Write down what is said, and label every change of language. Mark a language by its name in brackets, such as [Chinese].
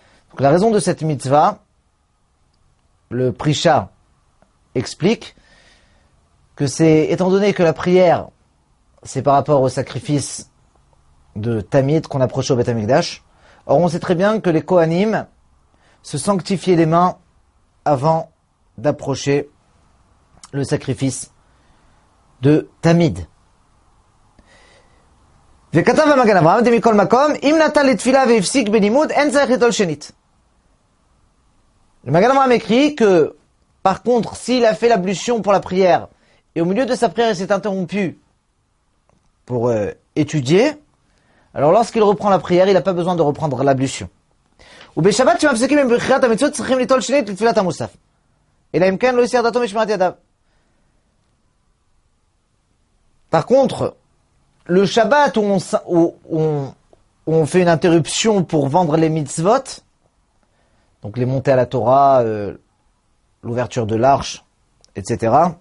[French] Donc la raison de cette mitzvah, le Prisha explique que c'est, étant donné que la prière, c'est par rapport au sacrifice de Tamid qu'on approche au Beth Amikdash, or on sait très bien que les Kohanim se sanctifiaient les mains avant d'approcher le sacrifice de Tamid. [Hebrew] וכתב המגן אברהם די מכל מקום אם נטל לתפילה והפסיק בלימוד אין צריך לטול שנית. [French] למגן אברהם écrit que par contre s'il a fait l'ablution pour la prière et au milieu de sa prière il s'est interrompu pour étudier, alors lorsqu'il reprend la prière il n'a pas besoin de reprendre l'ablution. [Hebrew] ובשבת שמפסיקים בקריאת המצוות צריכים לטול שנית לתפילת המוסף אלא אם כן לא יסיר דתו משמרת ידיו. [French] Par contre, le Shabbat où on fait une interruption pour vendre les mitzvot, donc les montées à la Torah, l'ouverture de l'arche, etc.